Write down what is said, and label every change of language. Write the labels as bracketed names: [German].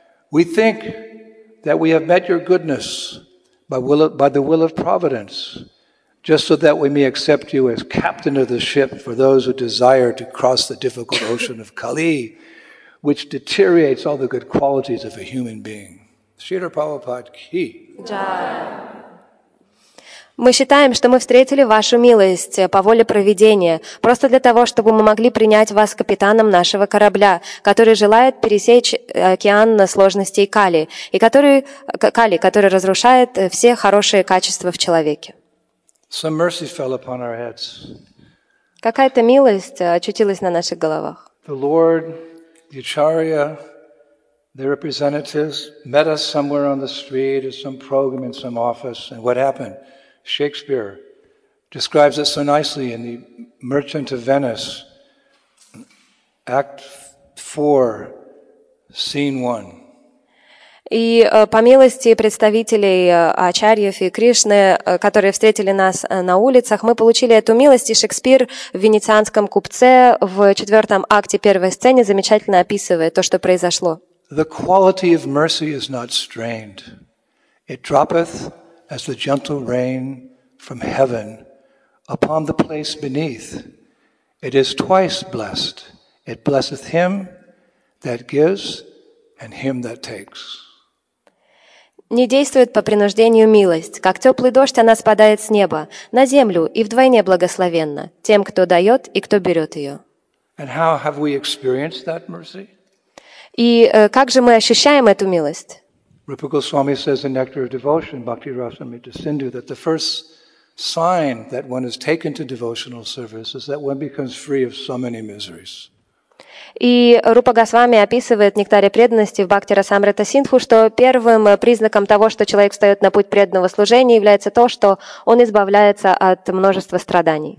[English] We think that we have met your goodness by the will of providence, just so that we may accept you as captain of the ship for those who desire to cross the difficult ocean of Kali, which deteriorates all the good qualities of a human being. Srila Prabhupada ki. Jai. [Russian] Мы считаем, что мы встретили вашу милость по воле провидения, просто для того, чтобы мы могли принять вас капитаном нашего корабля, который желает пересечь океан сложностей Кали, и который разрушает все хорошие качества в человеке. [English] Some mercy fell upon our heads. [Russian] Какая-то милость очутилась на наших головах. [English] The Lord, the Acharya, the representatives met us somewhere on the street at some program in some office, and what happened? Shakespeare describes it so nicely in The Merchant of Venice, Act 4, Scene 1. [Russian] И по милости представителей Ачарьев и Кришны, которые встретили нас на улицах, мы получили эту милость, и Шекспир в «Венецианском купце» в четвертом акте первой сцены замечательно описывает то, что произошло. [English] The quality of mercy is not strained. It droppeth as the gentle rain from heaven upon the place beneath. It is twice blessed. It blesseth him that gives and him that takes. [Russian] не действует по принуждению милость, как теплый дождь она спадает с неба, на землю и вдвойне благословенна тем, кто дает и кто берет ее. [English] And how have we experienced that mercy? [Russian] И как же мы ощущаем эту милость? [English] Rupa Goswami says in Nectar of Devotion, Bhakti Rasamrita Sindhu, that the first sign that one is taken to devotional service is that one becomes free of so many miseries. [Russian] И Рупа Госвами описывает в «Нектаре преданности» в Бхакти Расамрита Синдху, что первым признаком того, что человек встает на путь преданного служения, является то, что он избавляется от множества страданий.